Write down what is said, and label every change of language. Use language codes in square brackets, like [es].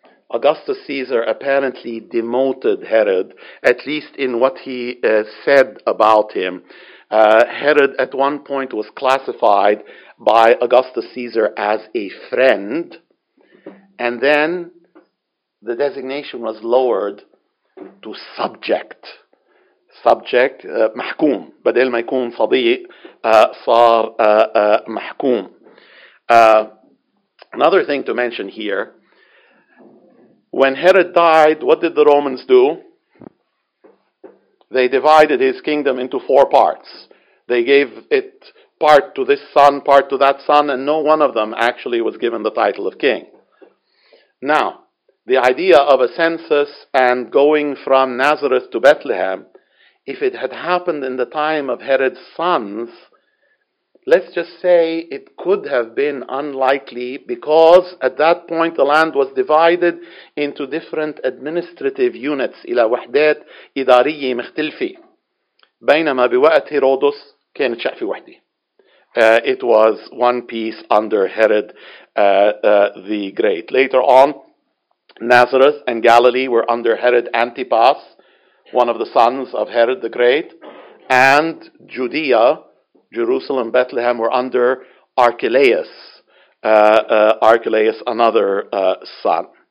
[en] Augustus Caesar apparently demoted Herod, at least in what he said about him. Herod at one point was classified by Augustus Caesar as a friend, and then the designation was lowered to subject. Subject, محكوم. [ar] بدل ما يكون صديق صار محكوم. [en] Another thing to mention here, when Herod died, what did the Romans do? They divided his kingdom into 4 parts. They gave it part to this son, part to that son, and no one of them actually was given the title of king. Now, the idea of a census and going from Nazareth to Bethlehem, if it had happened in the time of Herod's sons, let's just say it could have been unlikely because at that point the land was divided into different administrative units, [ar] إلى وحدات إدارية مختلفة. بينما بوقت هيرودس كانت شقفة واحدة. [en] It was one piece under Herod the Great. Later on, Nazareth and Galilee were under Herod Antipas, one of the sons of Herod the Great, and Judea, Jerusalem, Bethlehem, were under Archelaus, another son.